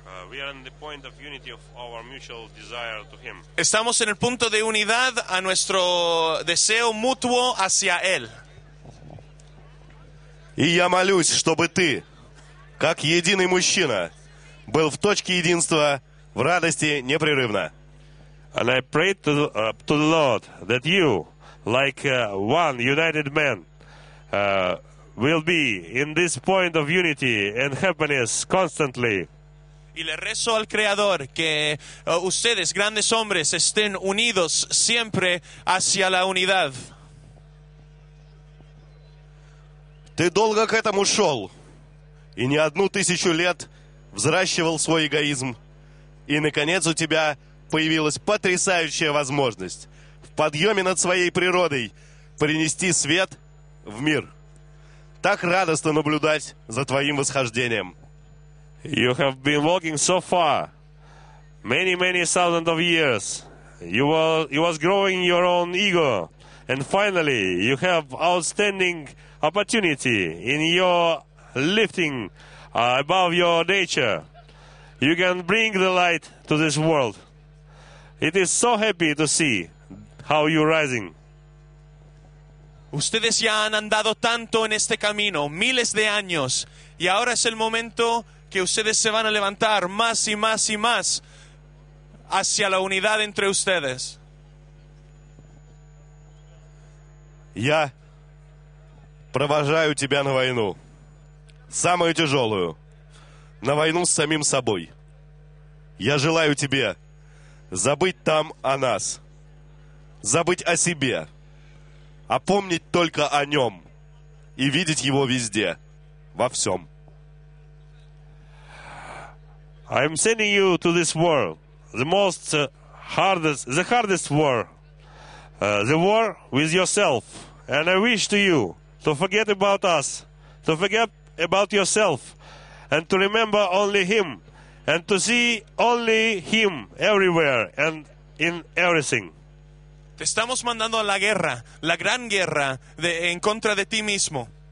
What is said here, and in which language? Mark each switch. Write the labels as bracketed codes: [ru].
[en] We are in the point of unity of our mutual desire to Him. [es] Estamos en el punto de unidad a nuestro deseo mutuo hacia Él. [ru] И я молюсь, чтобы ты, как единый мужчина, был в точке единства, в радости непрерывно. [en] And I pray to the Lord that you, like one united man, will be in this point of unity and happiness constantly. [es] Y le rezo al Creador que ustedes, grandes hombres, estén unidos siempre hacia la unidad. [ru] Ты долго к этому шел, и не одну тысячу лет взращивал свой эгоизм, и, наконец, у тебя появилась потрясающая возможность в подъеме над своей природой принести свет в мир. Так радостно наблюдать за твоим восхождением. [en] You have been walking so far, many, many thousands of years. You was growing your own ego, and finally you have outstanding opportunity in your lifting above your nature. You can bring the light to this world. It is so happy to see how you're rising. [es] Ustedes ya han andado tanto en este camino, miles de años, y ahora es el momento que ustedes se van a levantar más y más y más hacia la unidad entre ustedes. [ru] Я провожаю тебя на войну, самую тяжелую, на войну с самим собой. Я желаю тебе забыть там о нас, забыть о себе, а помнить только о нем и видеть его везде, во всем. [en] I'm sending you to this war, the hardest war, the war with yourself. And I wish to you to forget about us, to forget about yourself, and to remember only Him, and to see only Him everywhere and in everything. [es] Te estamos mandando a la guerra, la gran guerra de en contra de ti mismo.